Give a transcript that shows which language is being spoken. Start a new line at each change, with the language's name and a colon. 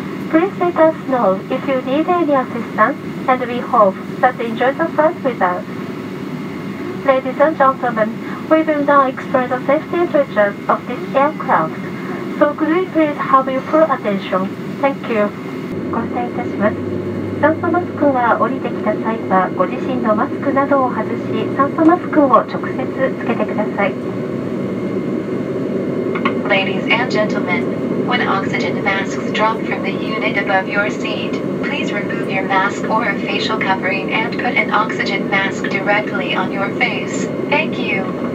English: Please let us know if you need any assistance and we hopeThat enjoy the flight with us. Ladies and gentlemen, we will now explain the safety features of this aircraft. So could we please have your full attention? Thank you.
Japanese: ご視聴いたします。酸素マスクは降りてきた際はご自身のマスクなどを外し、酸素マスクを直接つけてください。
English: Ladies and gentlemen, when oxygen masks drop from the unit above your seat, please remove your mask or a facial covering and put an oxygen mask directly on your face. Thank you.